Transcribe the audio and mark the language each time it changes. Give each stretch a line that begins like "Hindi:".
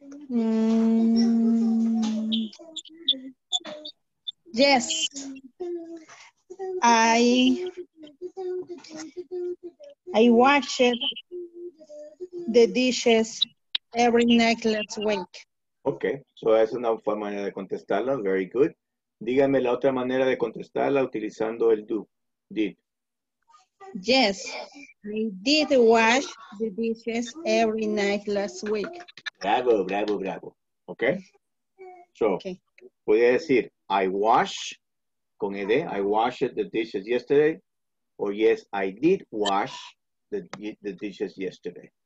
English: Mm. Yes. I washed the dishes every night last week.
Spanish: Okay, so es una manera de contestarla.
English: Very good.
Spanish: Dígame la otra manera de contestarla utilizando el do, did.
English: Yes, I did wash the dishes every night last week. Bravo, bravo, bravo. Okay? So, okay.
Spanish: Voy a decir,
English: I wash, con ed, I washed the dishes yesterday. Or yes, I did wash the dishes yesterday.